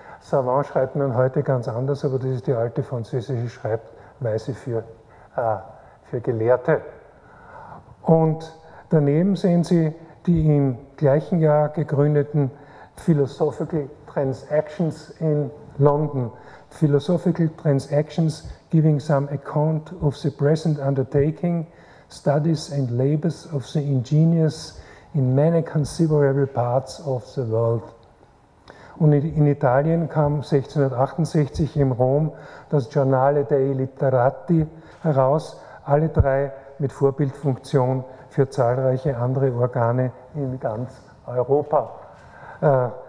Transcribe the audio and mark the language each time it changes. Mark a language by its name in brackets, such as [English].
[German] Savant schreibt man heute ganz anders, aber das ist die alte französische Schreibweise für Gelehrte. Und daneben sehen Sie die im gleichen Jahr gegründeten Philosophical Transactions in London. [English] Philosophical Transactions giving some account of the present undertaking, studies and labors of the ingenious in many considerable parts of the world. [German] Und in Italien kam 1668 in Rom das Giornale dei Literati heraus, alle drei mit Vorbildfunktion für zahlreiche andere Organe in ganz Europa.